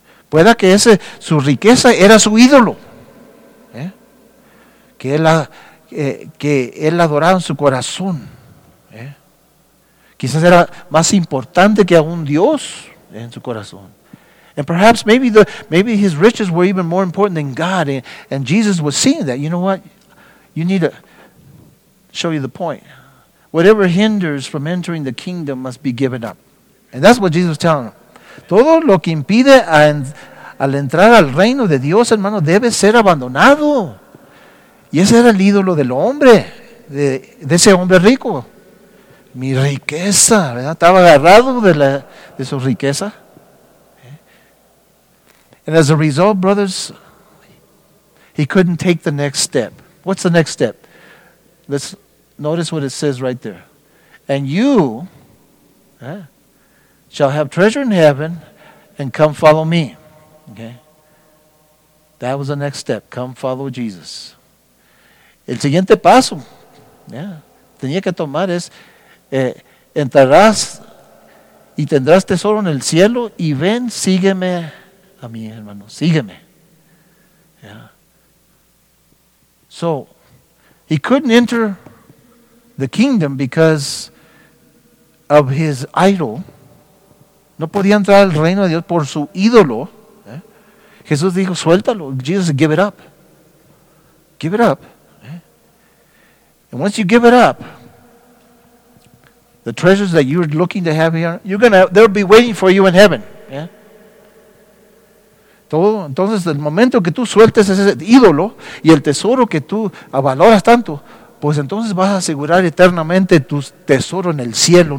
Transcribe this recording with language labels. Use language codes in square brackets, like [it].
[es] Pueda que ese su riqueza era su ídolo. ¿Eh? Que él adoraba en su corazón. ¿Eh? Quizás era más importante que aún Dios en su corazón. [en] And perhaps maybe his riches were even more important than God. And Jesus was seeing that. You know what? You need to show you the point. Whatever hinders from entering the kingdom must be given up. And that's what Jesus is telling them. [es] Todo lo que impide al entrar al reino de Dios, hermano, debe ser abandonado. Y ese era el ídolo del hombre, de ese hombre rico. Mi riqueza, ¿verdad? Estaba agarrado de su riqueza. [en] And as a result, brothers, he couldn't take the next step. What's the next step? Notice what it says right there. And you shall have treasure in heaven and come follow me. Okay? That was the next step. Come follow Jesus. [es] El siguiente paso tenía que tomar es entrarás y tendrás tesoro en el cielo y ven, sígueme a mí, hermano. Sígueme. [en] Yeah. So, he couldn't enter the kingdom because of his idol. [es] No podía entrar al reino de Dios por su ídolo. Jesús dijo, suéltalo. [en] Jesus said, give it up. Give it up. And once you give it up, the treasures that you're looking to have here, they'll be waiting for you in heaven. [es] Entonces, el momento que tú sueltes ese ídolo y el tesoro que tú avaloras tanto, pues entonces vas a asegurar eternamente tu tesoro en el cielo.